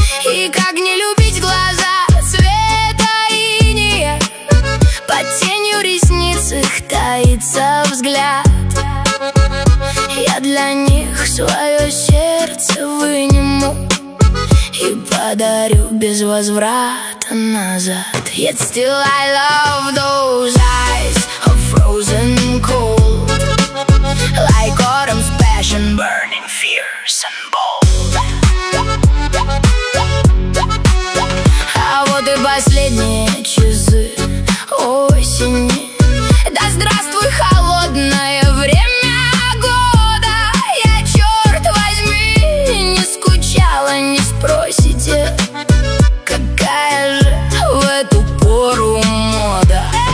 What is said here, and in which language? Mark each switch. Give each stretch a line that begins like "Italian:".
Russian: И как не любить глаза света иния, под тенью ресниц их таится взгляд. Я для них свое сердце выниму и подарю без возврата назад.
English: Yet still I love those eyes of frozen cold, like autumn's passion burning fierce and bold.
Russian: А вот и последние часы осени. Да здравствуй, холодное время года. Я, черт возьми, не скучала, не спросите, какая же в эту пору мода.